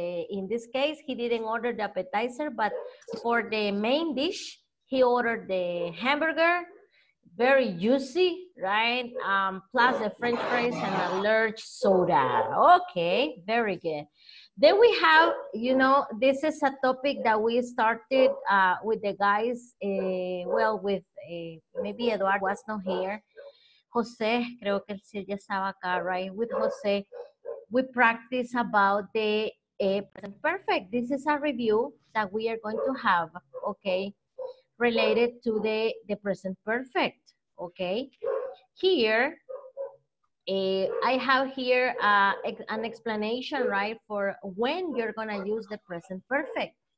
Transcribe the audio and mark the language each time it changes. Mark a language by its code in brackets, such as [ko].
[en] In this case, he didn't order the appetizer, but for the main dish, he ordered the hamburger, very juicy, right? Plus the French fries and a large soda. Okay, very good. Then we have, you know, this is a topic that we started with the guys, with maybe Eduardo was not here. [es] Jose, creo que él ya estaba acá, right? [en] With Jose, we practice about the present perfect. This is a review that we are going to have, okay, related to the present perfect, okay? Here, I have here an explanation, right, for when you're gonna use the present perfect.